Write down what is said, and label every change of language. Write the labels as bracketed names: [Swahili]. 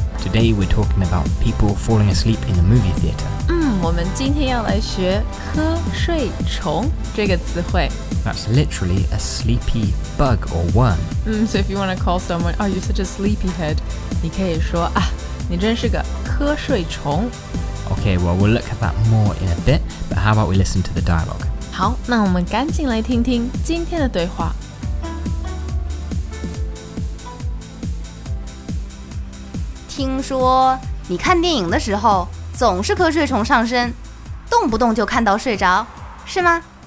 [English] Today we're talking about people falling asleep in the movie theater. [Chinese] 我们今天要来学瞌睡虫这个词汇。 [English] That's literally a sleepy bug or worm. So if you want to call someone, oh, you're such a sleepy head, [Chinese] 你可以说啊，你真是个瞌睡虫。 [English] Okay, well, we'll look at that more in a bit, but how about we listen to the dialogue? [Chinese] 好，那我们赶紧来听听今天的对话。听说你看电影的时候总是瞌睡虫上身，动不动就看到睡着，是吗？